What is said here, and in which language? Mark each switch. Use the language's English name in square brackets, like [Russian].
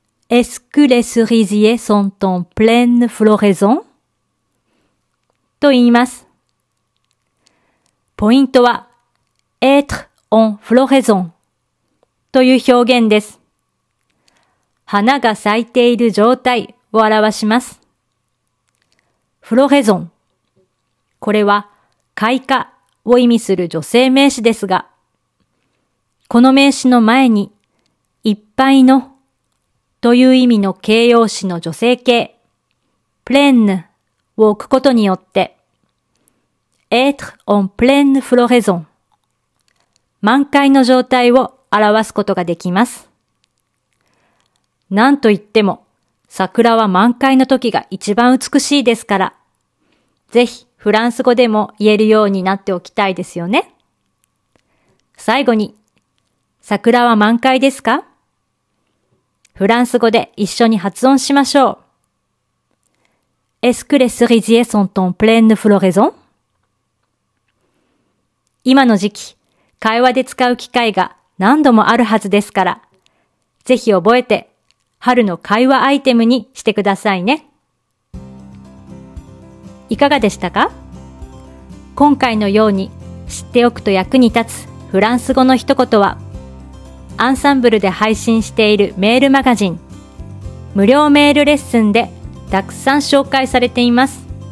[French] Est-ce que les cerisiers sont en pleine floraison? [Japanese] と言います。ポイントは、 [French] être en floraison。 [Japanese] という表現です。花が咲いている状態を表します。フロレゾン。これは開花を意味する女性名詞ですが、この名詞の前にいっぱいのという意味の形容詞の女性形、プレンヌを置くことによって、 [French] être en pleine floraison。 [Japanese] 満開の状態を表すことができます。なんといっても、桜は満開の時が一番美しいですから、ぜひフランス語でも言えるようになっておきたいですよね。最後に、桜は満開ですか？フランス語で一緒に発音しましょう。 [French] Est-ce que les cerisiers sont en pleine floraison? [Japanese] 今の時期、会話で使う機会が何度もあるはずですから、ぜひ覚えて春の会話アイテムにしてくださいね。いかがでしたか？今回のように知っておくと役に立つフランス語の一言は、アンサンブルで配信しているメールマガジン、無料メールレッスンでたくさん紹介されています。